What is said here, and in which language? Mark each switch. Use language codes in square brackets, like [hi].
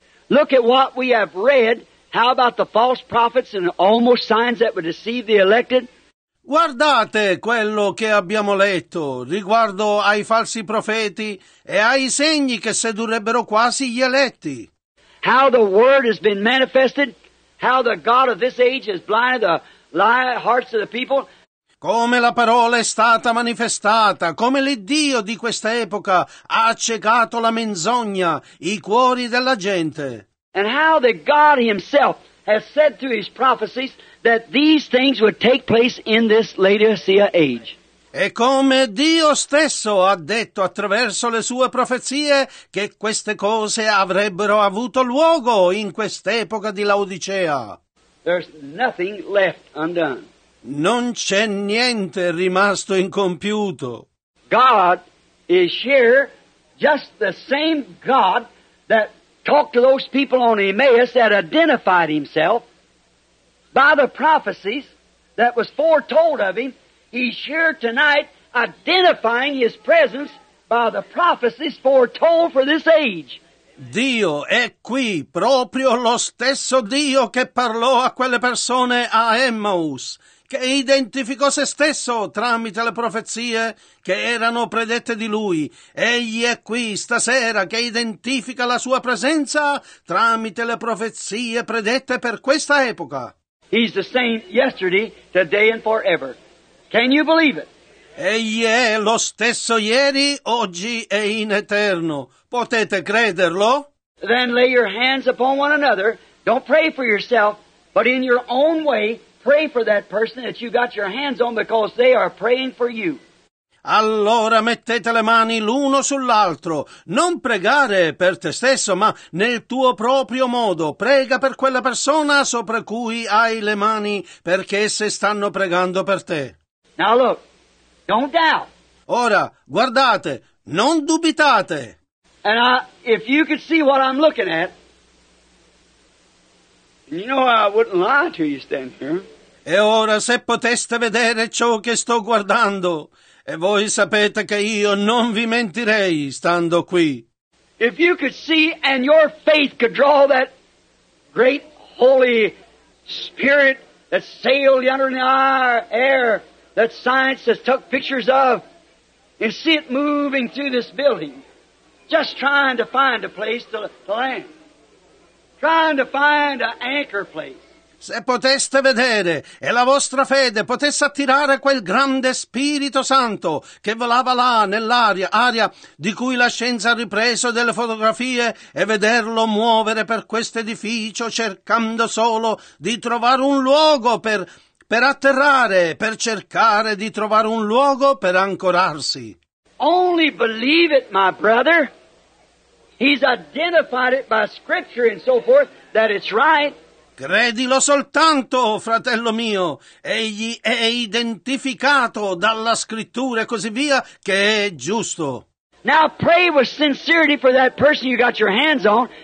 [en] Look at what we have read. How about the false prophets and almost signs that would deceive the elected? [it] Guardate quello che abbiamo letto riguardo ai falsi profeti e ai segni che sedurrebbero quasi gli eletti. [en] How the word has been manifested, how the God of this age has blinded the lying hearts of the people. [it] Come la parola è stata manifestata, come l'Iddio di questa epoca ha accecato la menzogna, i cuori della gente. [en] And how that God himself has said through his prophecies that these things would take place in this Laodicea age. [it] E come Dio stesso ha detto attraverso le sue profezie che queste cose avrebbero avuto luogo in quest'epoca di Laodicea. [en] There's nothing left undone. [it] Non c'è niente rimasto incompiuto. [en] God is here, just the same God that talked to those people on Emmaus that identified himself by the prophecies that was foretold of him. He's here tonight identifying his presence by the prophecies foretold for this age. [it] Dio è qui, proprio lo stesso Dio che parlò a quelle persone a Emmaus, che identificò se stesso tramite le profezie che erano predette di lui. Egli è qui stasera che identifica la sua presenza tramite le profezie predette per questa epoca. [en] He's the same yesterday, today and forever. Can you believe it? [it] Egli è lo stesso ieri, oggi e in eterno. Potete crederlo? [en] Then lay your hands upon one another. Don't pray for yourself, but in your own way, pray for that person that you got your hands on because they are praying for you. [it] Allora mettete le mani l'uno sull'altro. Non pregare per te stesso, ma nel tuo proprio modo. Prega per quella persona sopra cui hai le mani perché esse stanno pregando per te. [en] Now look, don't doubt. [it] Ora, guardate, non dubitate. [en] And if you could see what I'm looking at, you know I wouldn't lie to you standing here. [it] E ora, se poteste vedere ciò che sto guardando, e voi sapete che io non vi mentirei stando qui. [en] If you could see and your faith could draw that great Holy Spirit that sailed under the air, that science has took pictures of, and see it moving through this building, just trying to find a place to land, trying to find an anchor place. [it] Se poteste vedere e la vostra fede potesse attirare quel grande Spirito Santo che volava là nell'aria, aria di cui la scienza ha ripreso delle fotografie, e vederlo muovere per questo edificio cercando solo di trovare un luogo per atterrare, per cercare di trovare un luogo per ancorarsi. [en] Only believe it, my brother. He's identified it by scripture and so forth that it's right. [it] Credilo soltanto, fratello mio. Egli è identificato dalla scrittura e così via che è giusto. [en] Now pray with sincerity for that person you got your hands on.